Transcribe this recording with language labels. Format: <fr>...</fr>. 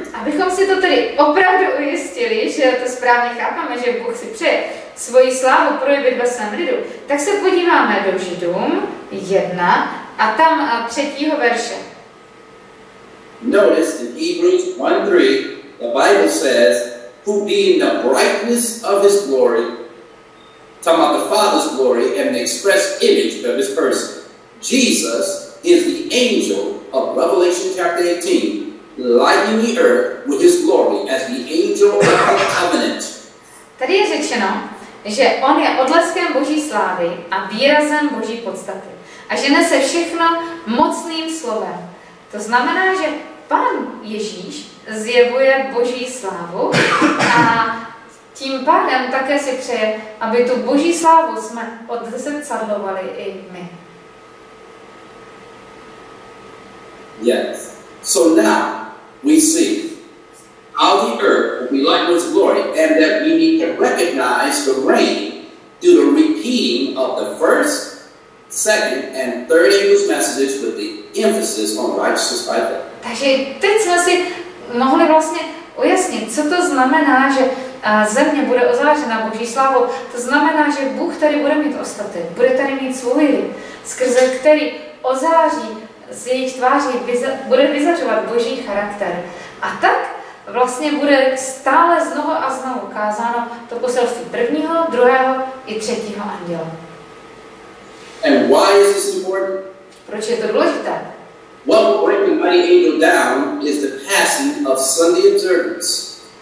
<cs>Abychom si to tedy opravdu ujistili, že to správně chápeme, že Bůh si přeje svoji slávu projevit ve svém lidu, tak se podíváme do Židům 1 a tam 3. verše.</cs> <en>Notice in Hebrews 1, 3, the Bible says, who being the brightness of his glory, talking about the Father's glory and the express image of his person. Jesus is the angel of Revelation chapter 18, lighting the earth with his glory as the angel of the covenant.</en> <cs>Tady je řečeno, že on je odleskem Boží slávy a výrazem Boží podstaty. A že nese všechno mocným slovem. To znamená, že Pán Ježíš zjevuje Boží slávu a tím pádem také si přeje, aby tu Boží slávu jsme odzrcadlovali i my.</cs> <en>Yes. So now we see how the earth will be like with glory, and that we need to recognize the rain through the repeating of the first, second, and third angel's messages with the emphasis on righteousness by faith.</en> <cs>Takže teď jsme si mohli vlastně ujasnit, co to znamená, že Země bude ozářena Boží slávou. To znamená, že Bůh tady bude mít ostaty, bude tady mít svůj lid, skrze který ozáří z jejich tváří, bude vyzařovat Boží charakter. A tak vlastně bude stále znovu a znovu ukázáno to poselství prvního, druhého i třetího anděla.</cs> <en>And why is this important?</en> <cs>Proč je to důležité?</cs> <en>What brings the mighty angel down is the passing of Sunday observance.</en>